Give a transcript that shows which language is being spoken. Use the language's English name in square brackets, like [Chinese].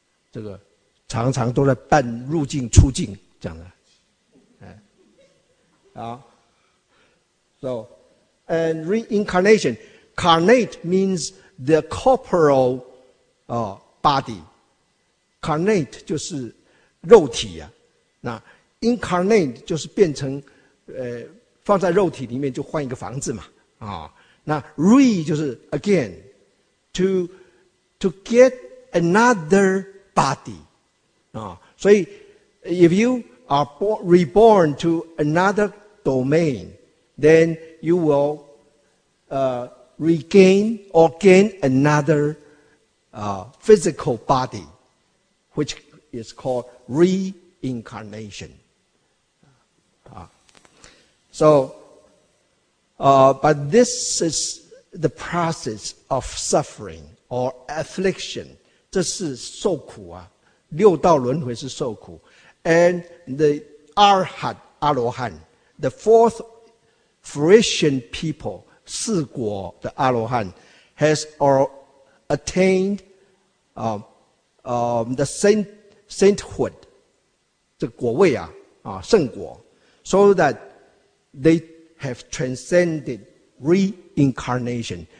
[Chinese] 这个常常都在办入境出境这样的。 [English] So, and reincarnation, carnate means the corporal body. Carnate [Chinese] 就是肉体啊。那 [English] incarnate [Chinese] 就是变成放在肉体里面就换一个房子嘛啊、哦、那 [English] re [Chinese] 就是 [English] again to get another body [Chinese] 啊、哦、所以 [English] if you are reborn to another domain then you will regain or gain another physical body which is called reincarnation So, but this is the process of suffering or affliction. [Chinese] 这是受苦啊，六道轮回是受苦。 [English] And the Arhat, 阿罗汉, the fourth fruition people, [Chinese] 四果的阿罗汉, [English] has attained the sainthood, [Chinese] 这果位啊, 啊圣果, [English] so that,They have transcended reincarnation.